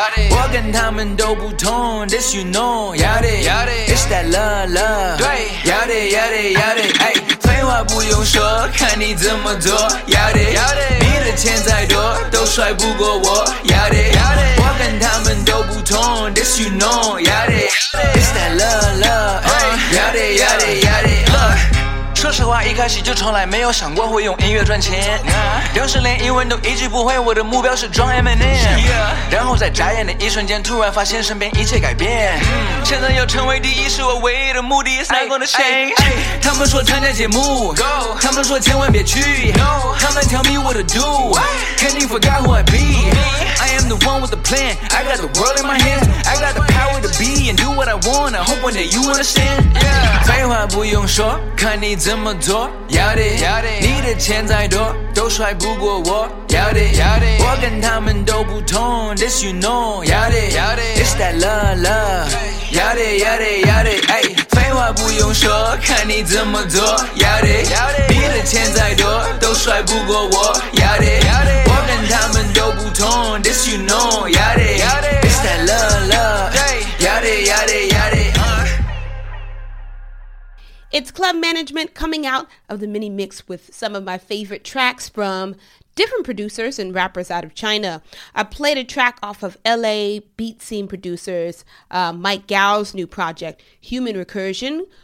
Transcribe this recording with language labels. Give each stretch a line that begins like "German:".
Chinese: 我跟他们都不同
English: This you know
Chinese: 要的
English: It's that love love
Chinese: 要的要的要的废话不用说看你怎么做要的你的钱再多都甩不过我要的我跟他们都不同
English: This you know
Chinese: 要的
English: It's that love love
Chinese: 要的要的要的说实话，一开始就从来没有想过会用音乐赚钱。当时连英文都一句不会，我的目标是装 Eminem。然后在眨眼的一瞬间，突然发现身边一切改变。现在要成为第一是我唯一的目的 ，
English: It's not gonna change。
Chinese: 他们说参加节目 ，Go。他们说千万别去 ，No。
English: 他们 tell me what to do，Can't even forget who I be。 I am the one with the plan，I got the world in my hands，I got the power to be and do what I want。I hope one day you understand。
Chinese: 废话不用说，看你。怎么做要的你的钱再多都甩不过我要的我跟他们都不同
English: This you know
Chinese: 要的
English: It's that love love
Chinese: 要的要的要的废话不用说看你怎么做要的你的钱再多都甩不过我要的我跟他们都不同 This you know 要的 It's that love love 要的要的要的
English: It's Club Management coming out of the mini mix with some of my favorite tracks from different producers and rappers out of China. I played a track off of LA beat scene producers, Mike Gao's new project, Human Recursion,